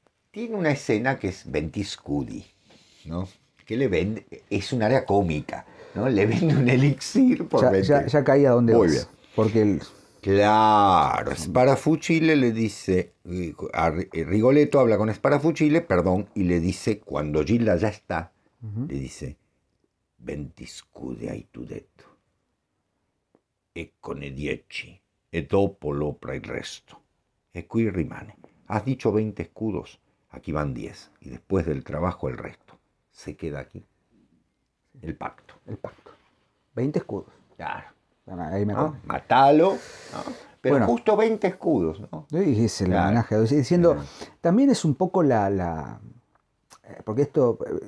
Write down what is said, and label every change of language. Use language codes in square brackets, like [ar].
[es] Tiene una escena que es Ventiscudi, ¿no? Que le vende, es un aria cómica, ¿no? Le vende un elixir por ya caía donde vuelve. Porque él. Claro, Sparafucile le dice, Rigoletto habla con Sparafucile, perdón, y le dice, cuando Gilda ya está, uh-huh. [it] Le dice: venti scudi hai tu detto, ecco ne dieci, e dopo l'opera il resto, e qui rimane. [es] Has dicho 20 escudos, aquí van 10, y después del trabajo el resto, se queda aquí. El pacto. El pacto. 20 escudos. Claro. Ahí me matalo, ¿no? Pero bueno, justo 20 escudos, ¿no? Y es el homenaje. Claro. Diciendo, también es un poco la... Porque esto...